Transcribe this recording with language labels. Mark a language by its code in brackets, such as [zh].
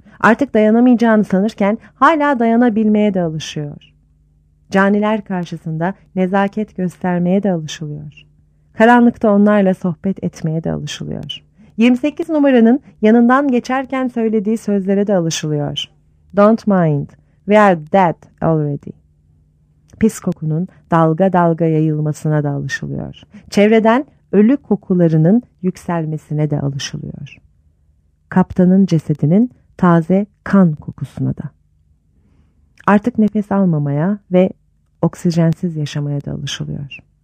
[tr] Artık dayanamayacağını sanırken hala dayanabilmeye de alışıyor. Caniler karşısında nezaket göstermeye de alışılıyor. Karanlıkta onlarla sohbet etmeye de alışılıyor. 28 numaranın yanından geçerken söylediği sözlere de alışılıyor. [en] Don't mind, we are dead already. [tr] Pis kokunun dalga dalga yayılmasına da alışılıyor. Çevreden ölü kokularının yükselmesine de alışılıyor. Kaptanın cesedinin taze kan kokusuna da. Artık nefes almamaya ve oksijensiz yaşamaya da alışılıyor.